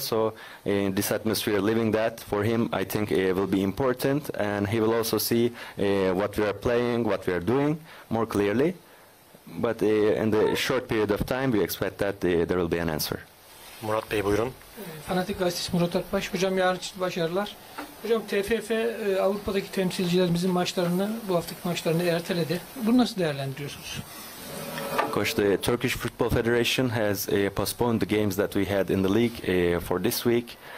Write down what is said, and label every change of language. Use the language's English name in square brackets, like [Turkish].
[English] So in this atmosphere, living that for him, I think it will be important. And he will also see what we are playing, what we are doing more clearly. But in the short period of time, we expect that there will be an answer. [Turkish] Murat Bey, buyurun. Fanatik gazetesi Murat Akbaş. Hocam, yarın için başarılar. Hocam, TFF Avrupa'daki temsilcilerimizin maçlarını, bu haftaki maçlarını erteledi. Bunu nasıl değerlendiriyorsunuz? [English] Coach, the Turkish Football Federation has postponed the games that we had in the league for this week.